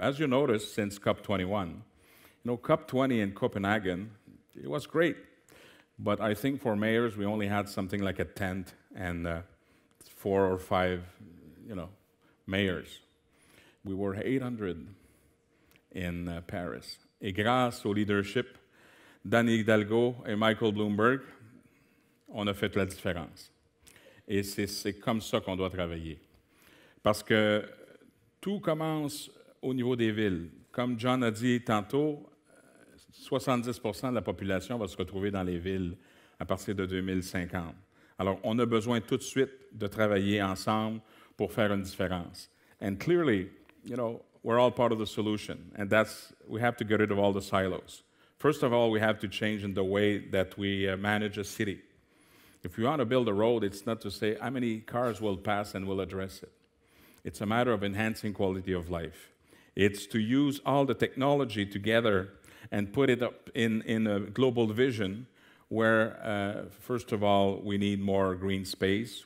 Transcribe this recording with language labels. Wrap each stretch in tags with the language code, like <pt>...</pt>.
<en>As you notice, since COP21, you know, COP20 in Copenhagen, it was great. But I think for mayors, we only had something like a tent and four or five, you know, mayors. We were 800 in Paris.</en> <fr>Et grâce au leadership d'Anne Hidalgo et Michael Bloomberg, on a fait la différence. Et c'est comme ça qu'on doit travailler. Parce que tout commence au niveau des villes. Comme John a dit tantôt, 70% de la population va se retrouver dans les villes à partir de 2050. Alors, on a besoin tout de suite de travailler ensemble pour faire une différence.</fr> <en>And clearly, you know, we're all part of the solution. And that's, we have to get rid of all the silos. First of all, we have to change in the way that we manage a city. If you want to build a road, it's not to say how many cars will pass and we'll address it. It's a matter of enhancing quality of life. It's to use all the technology together and put it up in a global vision where, first of all, we need more green space.</en>